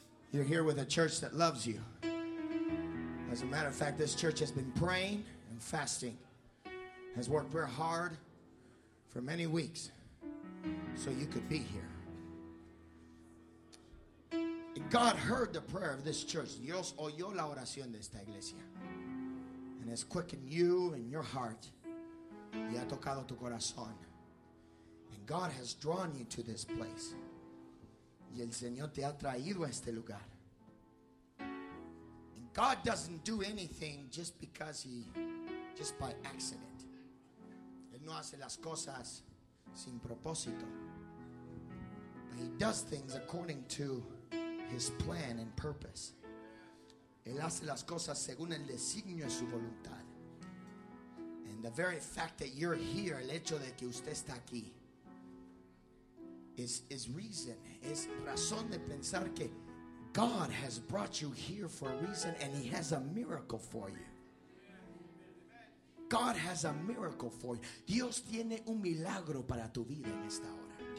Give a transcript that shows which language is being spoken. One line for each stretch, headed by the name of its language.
English: You're here with a church that loves you. As a matter of fact, this church has been praying and fasting, has worked very hard for many weeks so you could be here. God heard the prayer of this church.
Spanish: Dios oyó la oración de esta iglesia.
English: And has quickened you and your heart.
Spanish: Y ha tocado tu corazón.
English: And God has drawn you to this place.
Spanish: Y el Señor te ha traído a este lugar.
English: God doesn't do anything just because he, just by accident.
Spanish: Él no hace las cosas sin propósito.
English: But he does things according to his plan and purpose.
Spanish: Él hace las cosas según el designio de su voluntad.
English: And the very fact that you're here,
Spanish: el hecho de que usted está aquí,
English: is reason,
Spanish: es razón de pensar que
English: God has brought you here for a reason, and he has a miracle for you. God has a miracle for you.
Spanish: Dios tiene un milagro para tu vida en esta hora.